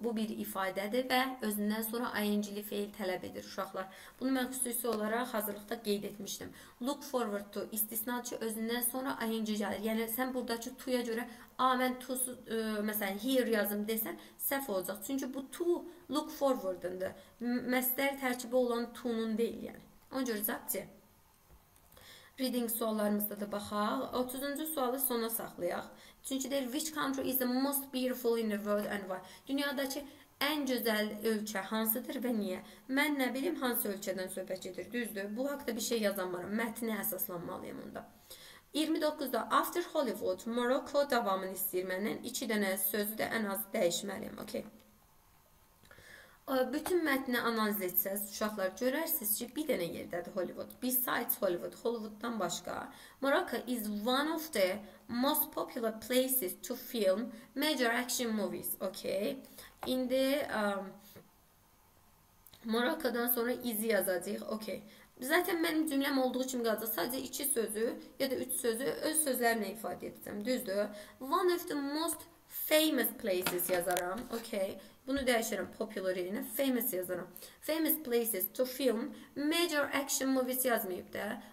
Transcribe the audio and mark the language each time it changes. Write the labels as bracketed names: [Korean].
[Azerbaijani] Bu bir ifadədir və özündən sonra ing-li feil tələb edir uşaqlar. Bunu mən xüsusi olaraq hazırlıqda qeyd etmişdim. Look forward to istisnaçı özündən sonra ing gəlir. Yəni sən burdakı to-ya görə a mən to məsələn here yazım desən səhv olacaq. Çünki bu to look forward-ındır. Məsdər tərkibi olan to-nun deyil yəni. Ona görə cavab Reading suallarımızda da baxaq. 30-cu sualı sona saxlayaq. Çünki deyir, [English] which country is the most beautiful in the world and why? [Azerbaijani] Dünyadakı ən gözəl ölkə hansıdır və niyə? Mən nə bilim, hansı ölkədən söhbət gedir, düzdür. Bu haqda bir şey yazamaram. Mətnə əsaslanmalıyam onda. 29-da after Hollywood, Morocco davamını istəyir məndən. İki dənə sözü də ən az dəyişməliyəm. Okay. Bütün mətni analiz etsəz, uşaqlar görərsiniz ki, bir dənə yerdədir Hollywood. [English] Besides Hollywood, [Azerbaijani] Hollywood'dan başqa. [English] Morocco is one of the most popular places to film major action movies. Okay. [Azerbaijani] İndi Morocco'dan sonra izi yazacaq. [English] Okay. [Azerbaijani] Zaten mənim cümləm olduğu kimi qalacaq. Sadəcə iki sözü ya da üç sözü öz sözlərlə ifadə edəcəm. Düzdür. [English] One of the most famous places [Azerbaijani] yazaram. [English] Okay. [Azerbaijani] Bunu dəyişirəm popular yerinə. [English] Famous [Azerbaijani] yazaram. [English] Famous places to film. Major action movies [Azerbaijani] yazmayıb da.